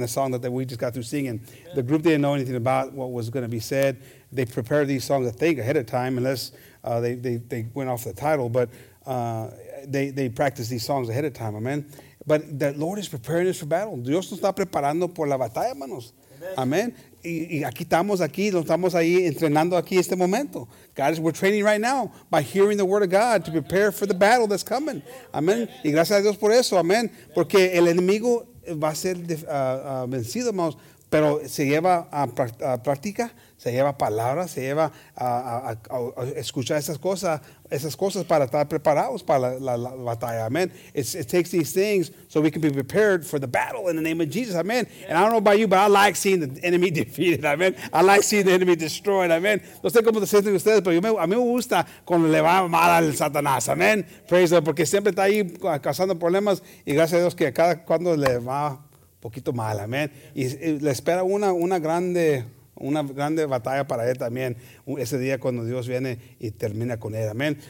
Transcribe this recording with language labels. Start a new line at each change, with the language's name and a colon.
English: The song that we just got through singing. The group didn't know anything about what was going to be said. They prepare these songs, I think, ahead of time, unless they went off the title. But they practice these songs ahead of time, amen. But the Lord is preparing us for battle.
Spanish: Dios nos está preparando por la batalla, hermanos. Amen. Y aquí estamos aquí, nos estamos ahí entrenando aquí este momento.
English: Guys, we're training right now by hearing the word of God to prepare for the battle that's coming.
Spanish: Amen. Y gracias a Dios por eso, amen. Porque el enemigo va a ser vencido, hermanos. Pero se lleva a práctica, se lleva palabras, se lleva a escuchar esas cosas para estar preparados para la batalla. Amen.
English: It takes these things so we can be prepared for the battle in the name of Jesus. Amen. And I don't know about you, but I like seeing the enemy defeated. Amen. I like seeing the enemy destroyed. Amen.
Spanish: No sé cómo se sienten ustedes, pero a mí me gusta cuando le va mal al Satanás. Amen.
English: Praise the Lord.
Spanish: Porque siempre está ahí causando problemas. Y gracias a Dios que cada cuando le va poquito mal, amén. Y le espera una grande batalla para él también ese día cuando Dios viene y termina con él, amén.